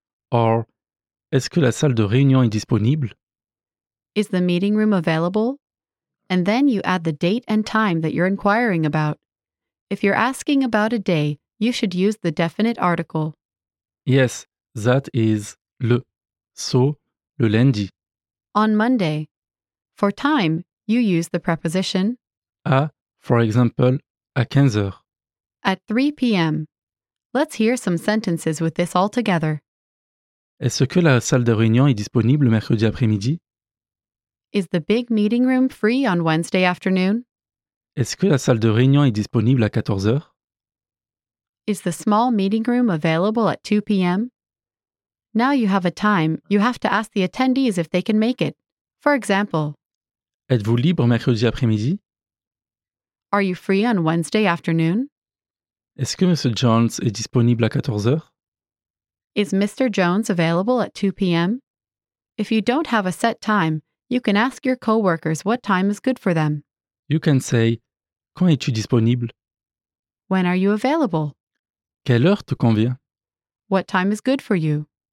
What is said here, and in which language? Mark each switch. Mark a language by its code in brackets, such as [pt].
[fr] Or, est-ce que la salle de réunion est disponible? [en] Is the meeting room available? And then you add the date and time that you're inquiring about. If you're asking about a day, you should use the definite article. Yes. That is le. So, [fr] le lundi. [en] On Monday. For time, you use the preposition à, for example, [fr] à 15h. [en] At 3 p.m. Let's hear some sentences with this all together. [fr] Est-ce que la salle de réunion est disponible mercredi après-midi? [en] Is the big meeting room free on Wednesday afternoon? [fr] Est-ce que la salle de réunion est disponible à 14h? [en] Is the small meeting room available at 2 p.m.? Now you have a time, you have to ask the attendees if they can make it. For example, [fr] êtes-vous libre mercredi après-midi? [en] Are you free on Wednesday afternoon? [fr] Est-ce que Monsieur Jones est disponible à 14h? [en] Is Mr. Jones available at 2 p.m.? If you don't have a set time, you can ask your co-workers what time is good for them. You can say, [fr] quand es-tu disponible? [en] When are you available? [fr] Quelle heure te convient? [en] What time is good for you?